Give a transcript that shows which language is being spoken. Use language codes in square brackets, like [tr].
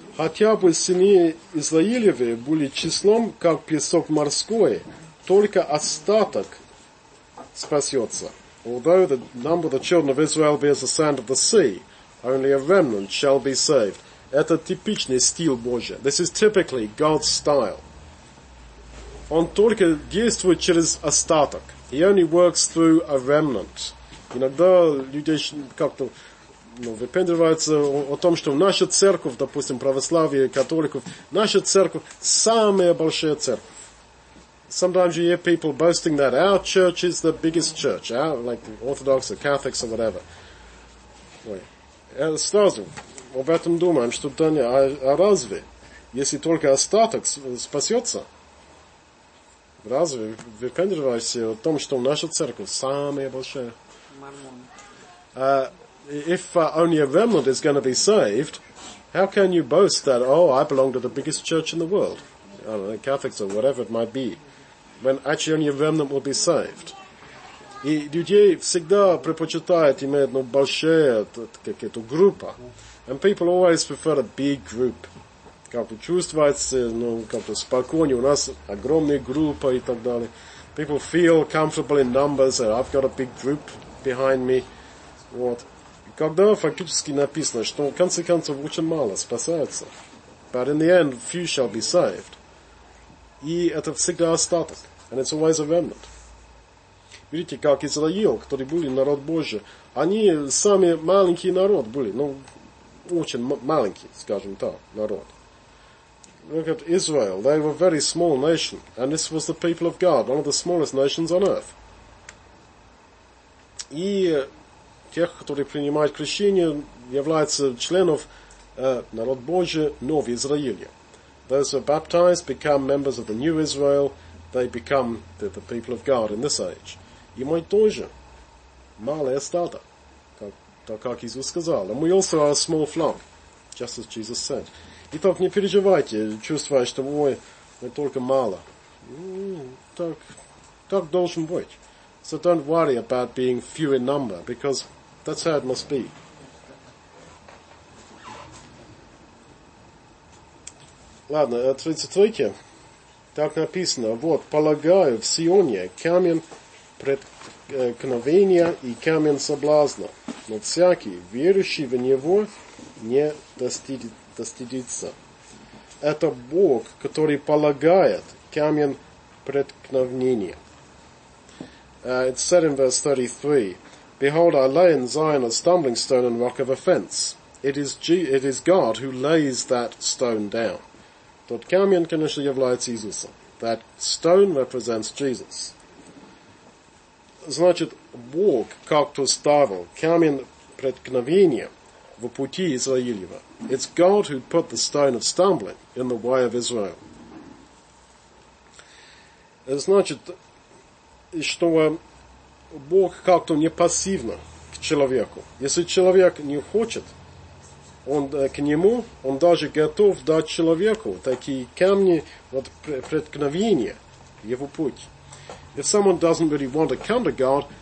[ru] Хотя бы сыны Израилевы были числом, как песок морской, только остаток спасется. [en] Although the number of the children of Israel be as the sand of the sea, only a remnant shall be saved. [ru] Это типичный стиль Божий. [en] This is typically God's style. [ru] Он только действует через остаток. [en] He only works through a remnant. [ru] Иногда люди как-то выпендриваются о том, что наша церковь, допустим, православие, католиков, наша церковь самая большая церковь. [en] Sometimes you hear people boasting that our church is the biggest church, like the Orthodox or Catholics or whatever. [ru] Ой, сразу об этом думаем, что Даня, а разве, если только остаток спасется? Разве выпендриваешься о том, что наша церковь самая большая? [en] If only a remnant is going to be saved, how can you boast that, oh, I belong to the biggest church in the world? I don't know, Catholics or whatever it might be. When actually only a remnant will be saved. [ru] И людей всегда предпочитают иметь большую какую-то группу. [en] And people always prefer a big group. [ru] Как-то чувствуется, как-то спокойнее. У нас огромная группа и так далее. [en] People feel comfortable in numbers. I've got a big group behind me. [ru] Вот. Когда фактически написано, что в конце концов очень мало спасается. [en] But in the end, few shall be saved. [ru] И это всегда остаток. [en] And it's always a remnant. [ru] Видите, как Израил, которые были народ Божий, они сами маленький народ были, очень маленький, скажем так, народ. [en] Look at Israel. They were a very small nation. And this was the people of God, one of the smallest nations on earth. [ru] И тех, которые принимают крещение, являются членов народ Божий, но в Израиле. [en] Those who are baptized become members of the new Israel. They become the people of God in this age. [ru] И мы тоже малый остаток, как Иисус сказал. [en] And we also are a small flock, just as Jesus said. [ru] Итак, не переживайте, чувствуя, что ой, мы только мало. Так должен быть. [en] So don't worry about being few in number, because that's how it must be. [ru] Ладно, 33-ке так написано. Вот, полагаю, в Сионе камень преткновения и камень соблазна, но всякий, верующий в него, не достидится. Это Бог, который полагает камень преткновения. [en] It's said in verse 33, Behold, I lay in Zion a stumbling stone and rock of offense. It is God who lays that stone down. [ru] Тот камень, конечно, является Иисусом. [en] That stone represents Jesus. [ru] Значит, Бог как-то ставил камень преткновения в пути Израилева. [en] It's God who put the stone of stumbling in the way of Israel. [ru] Значит, что Бог как-то не пассивно к человеку. Если человек не хочет, он к нему, он даже готов дать человеку такие камни вот преткновения, его путь. [en] If someone doesn't really want to come to God,